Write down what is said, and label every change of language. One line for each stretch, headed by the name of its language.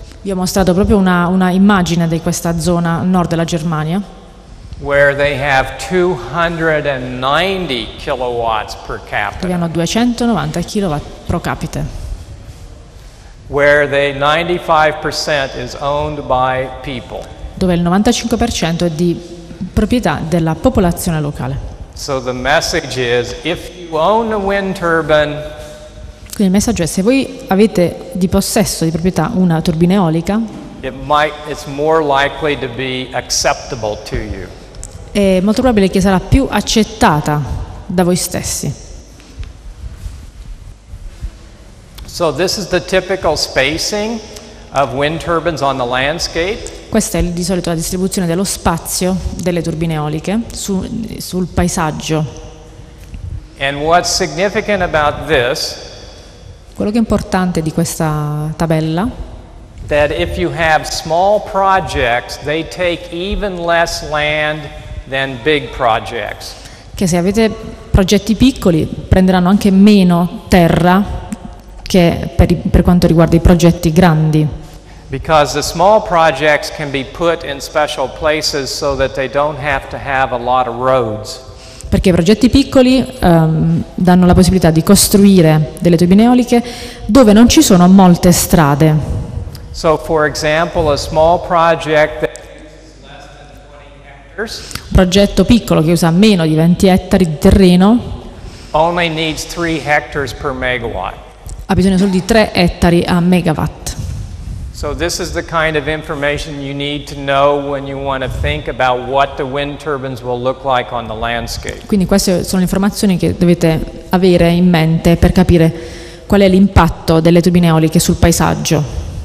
Italian: Vi ho mostrato proprio una immagine di questa zona nord della Germania.
English: Where they have 290 kilowatts per capita.
Italian: Dove hanno 290 kilowatt pro capite.
English: Where they 95% is owned by people.
Italian: Dove il 95% è di proprietà della popolazione locale.
English: So the message is, if you own a wind turbine.
Italian: Quindi il messaggio è se voi avete di possesso di proprietà una turbina eolica.
English: It's more likely to be acceptable to you.
Italian: È molto probabile che sarà più accettata da voi stessi.
English: So this is the typical spacing of wind turbines on the landscape.
Italian: Questa è di solito la distribuzione dello spazio delle turbine eoliche sul paesaggio.
English: And what's significant about this?
Italian: Quello che è importante di questa tabella?
English: That if you have small projects, they take even less land than big projects.
Italian: Che se avete progetti piccoli prenderanno anche meno terra che per quanto riguarda i progetti grandi.
English: Because the small projects can be put in special places so that they don't have to have a lot of roads.
Italian: Perché i progetti piccoli danno la possibilità di costruire delle turbine eoliche dove non ci sono molte strade.
English: So for example, a small project that
Italian: un progetto piccolo che usa meno di 20 ettari di terreno
English: only needs 3 hectares per megawatt.
Italian: Ha bisogno solo di 3 ettari a megawatt.
English: So this is the kind of information you need to know when you want to think about what the wind turbines will look like on the landscape.
Italian: Quindi queste sono le informazioni che dovete avere in mente per capire qual è l'impatto delle turbine eoliche sul paesaggio.